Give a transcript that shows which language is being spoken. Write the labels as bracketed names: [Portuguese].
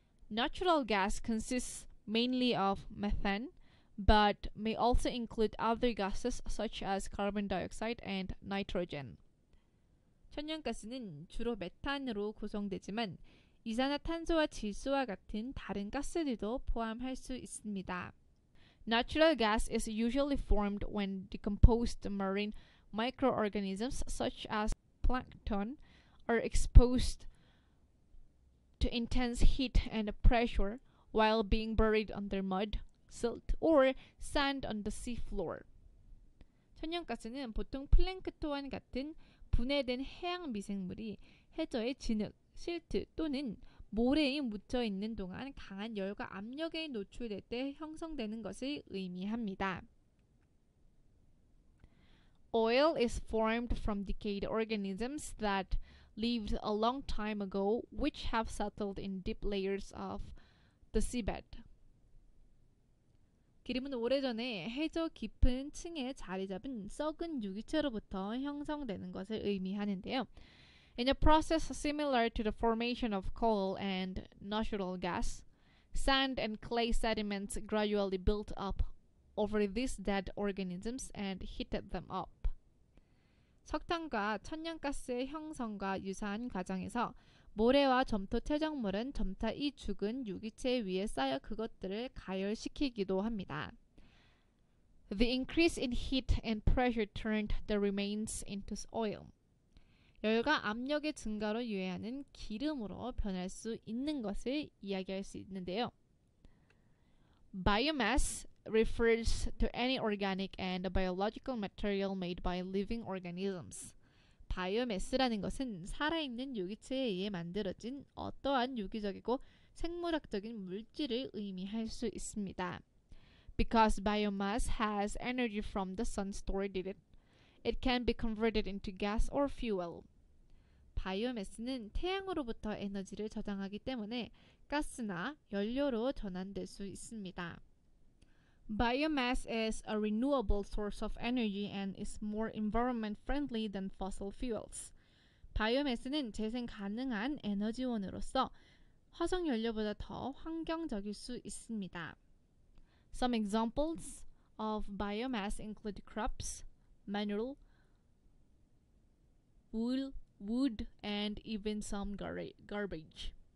[English] Natural gas consists mainly of methane, but may also include other gases such as carbon dioxide and nitrogen. [Korean] 천연가스는 주로 메탄으로 구성되지만 이산화탄소와 질소와 같은 다른 가스들도 포함할 수 있습니다. [English] Natural gas is usually formed when decomposed marine microorganisms such as plankton are exposed to intense heat and pressure while being buried under mud, silt, or sand on the seafloor. [Korean] 천연가스는 보통 플랭크톤 같은 분해된 해양 미생물이 해저의 진흙, 실트 또는 모래에 묻혀 있는 동안 강한 열과 압력에 노출될 때 형성되는 것을 의미합니다. [English] Oil is formed from decayed organisms that lived a long time ago, which have settled in deep layers of the seabed. [Korean] 기름은 오래전에 해저 깊은 층에 자리 잡은 썩은 유기체로부터 형성되는 것을 의미하는데요. [English] In a process similar to the formation of coal and natural gas, sand and clay sediments gradually built up over these dead organisms and heated them up. [Korean] 석탄과 천연가스의 형성과 유사한 과정에서 모래와 점토 퇴적물은 점차 이 죽은 유기체 위에 쌓여 그것들을 가열시키기도 합니다. [English] The increase in heat and pressure turned the remains into oil. [Korean] 열과 압력의 증가로 유해하는 기름으로 변할 수 있는 것을 이야기할 수 있는데요. Biomass [English] refers to any organic and biological material made by living organisms. [Korean] Biomass라는 것은 살아있는 유기체에 의해 만들어진 어떠한 유기적이고 생물학적인 물질을 의미할 수 있습니다. [English] Because biomass has energy from the sun stored in it, it can be converted into gas or fuel. [Korean] 바이오매스는 태양으로부터 에너지를 저장하기 때문에 가스나 연료로 전환될 수 있습니다. [English] Biomass is a renewable source of energy and is more environment friendly than fossil fuels. [Korean] 바이오매스는 재생 가능한 에너지원으로서 화석 연료보다 더 환경적일 수 있습니다. [English] Some examples of biomass include crops, mineral, wool, wood, and even some garbage.